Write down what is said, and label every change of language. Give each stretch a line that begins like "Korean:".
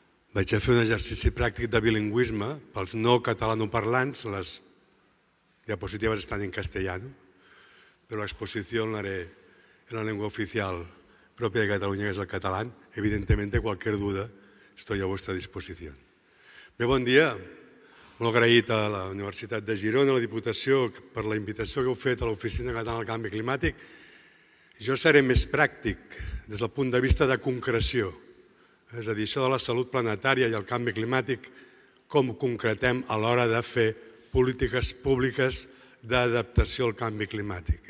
Catalan: Vaig a fer un exercici pràctic de bilingüisme. Pels no catalanoparlants, les diapositives estan en castellà, però l'exposició
Spanish: la haré
Catalan: en la llengua oficial pròpia de Catalunya, que és el català. Evidentment, qualsevol duda,
Spanish: estoy a vuestra disposición.
Catalan: Bé, bon dia. Molt agraït a la Universitat de Girona, a la Diputació, per la invitació que heu fet a l'Oficina Catalana del Canvi Climàtic. Jo seré més pràctic des del punt de vista de concreció. És a dir, això de la salut planetària i el canvi climàtic, com ho concretem a l'hora de fer polítiques públiques d'adaptació al canvi climàtic.